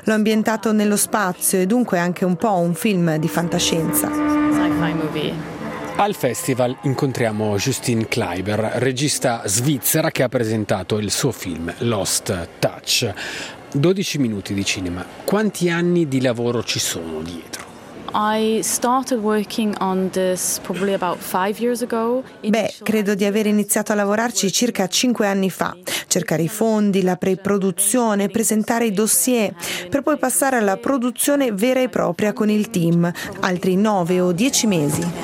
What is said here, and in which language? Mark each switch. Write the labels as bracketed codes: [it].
[it] L'ho ambientato nello spazio e dunque anche un po' un film di fantascienza. [en] Sci-fi movie. [it] Al festival incontriamo Justin Kleiber, regista svizzera che ha presentato il suo film Lost Touch. 12 minuti di cinema, quanti anni di lavoro ci sono dietro? [en] I started working on this probably about 5 years ago. [it] Beh, credo di aver iniziato a lavorarci circa 5 anni fa. Cercare i fondi, la pre-produzione, presentare i dossier, per poi passare alla produzione vera e propria con il team. Altri 9 o 10 mesi.